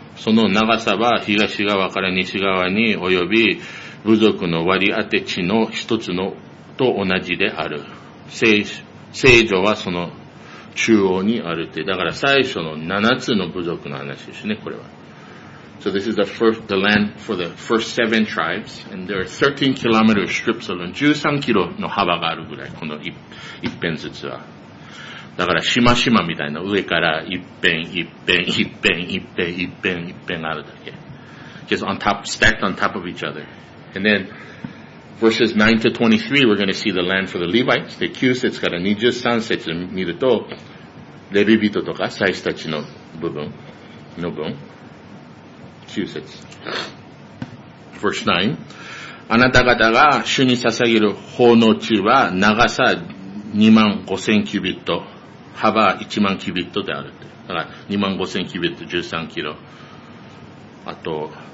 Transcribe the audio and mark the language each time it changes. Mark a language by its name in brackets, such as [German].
[Japanese] その長さは東側から西側に及び部族の割り当て地の一つのと同じである。聖女はその中央にあるって。だから最初の7つの部族の話ですね、これは。 [English] So this is the land for the first seven tribes, and there are 13 kilometer strips of land. [Japanese] 13キロの幅があるぐらい、この一辺ずつは。だから、しましまみたいな、上から一辺、一辺、一辺、一辺、一辺、一辺があるだけ。 [English] Just on top, stacked on top of each other. And then, verses 9 to 23, we're going to see the land for the Levites. [Japanese] で、9節から23節見ると、レビ人とか、祭司たちの部分、の分。 [English] Verse 9. [Japanese] あなた方が主に捧げる奉納地は長さ2万5千キュビット、幅1万キュビットである。だから2万5千キュビット13キロ。あと、